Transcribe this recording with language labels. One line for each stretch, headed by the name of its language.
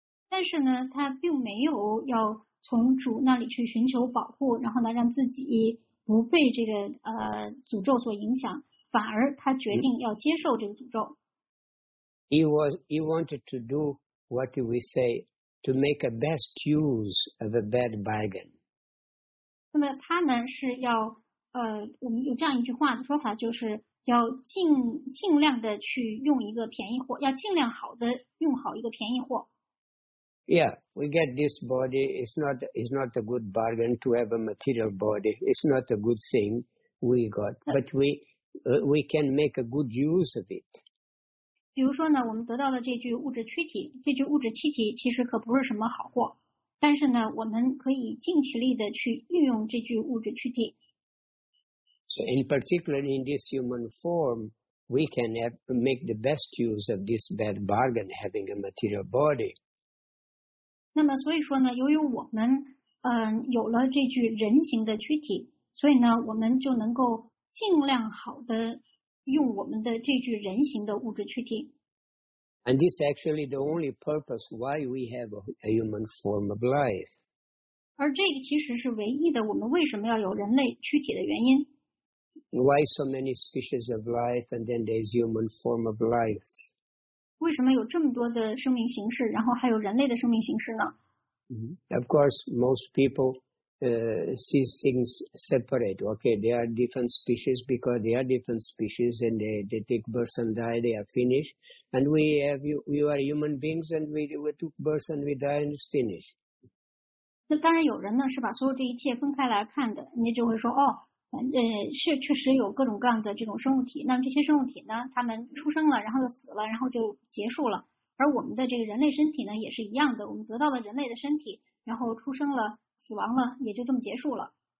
Chinese: 但是呢，他并没有要从主那里去寻求保护，然后呢，让自己不被这个诅咒所影响，反而他决定要接受这个诅咒。
English: He wanted to do what we say to make a best use of a bad bargain.
Chinese: 那么他呢是要我们有这样一句话的说法，就是要尽量的去用一个便宜货，要尽量好的用好一个便宜货。
English: Yeah, we get this body. It's not a good bargain to have a material body. It's not a good thing we got, but we can make a good use of it.
Chinese: 比如说呢，我们得到的这具物质躯体，这具物质躯体其实可不是什么好货。但是呢，我们可以尽其力的去运用这具物质躯体。
English: So in particular, in this human form, we can make the best use of this bad bargain, having a material body.
Chinese: 那么所以说呢，由于我们有了这具人形的躯体，所以呢，我们就能够尽量好的用我们的这具人形的物质躯体。
English: And this is actually the only purpose why we have a human form of life.
Chinese: 而这个其实是唯一的，我们为什么要有人类躯体的原因。
English: Why so many species of life and then there is human form of life?
Chinese: 为什么有这么多的生命形式，然后还有人类的生命形式呢？
English: Of course, most people see things separate. Okay, they are different species because they are different species and they take birth and die, they are finished. And we are human beings and we took birth and we die and it's finished.
Chinese: 那当然有人呢是把所有这一切分开来看的，你就会说哦，是确实有各种各样的这种生物体，那么这些生物体呢，他们出生了然后就死了然后就结束了，而我们的这个人类身体呢也是一样的，我们得到了人类的身体，然后出生了死亡了，也就这么结束了。